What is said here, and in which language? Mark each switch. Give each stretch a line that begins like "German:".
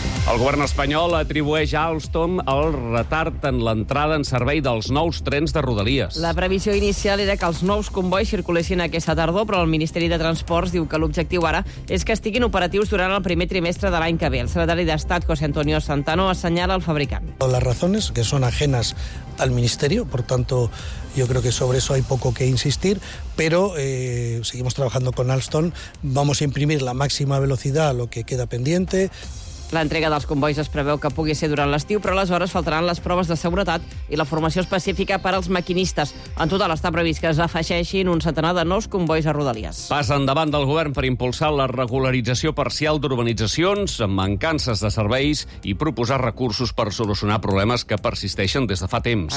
Catalan: El govern espanyol atribueix a Alstom el retard en l'entrada en servei dels nous trens de Rodalies. La previsió inicial era que els nous combois circulessin aquesta tardor, però el Ministeri de Transports diu que l'objectiu ara és que estiguin operatius durant el primer trimestre de l'any que ve. El secretari d'Estat, José Antonio Santano, assenyala el fabricant.
Spanish: Las razones que son ajenas al Ministerio, por tanto, yo creo que sobre eso hay poco que insistir, pero seguimos trabajando con Alstom. Vamos a imprimir la máxima velocidad a lo que queda pendiente.
Catalan: L'entrega dels combois es preveu que pugui ser durant l'estiu, però aleshores faltaran les proves de seguretat i la formació específica per als maquinistes. En total està previst que es afegeixin un centenar de nous combois a Rodalies. Pas endavant del govern per impulsar la regularització parcial d'urbanitzacions amb mancances de serveis i proposar recursos per solucionar problemes que persisteixen des de fa temps.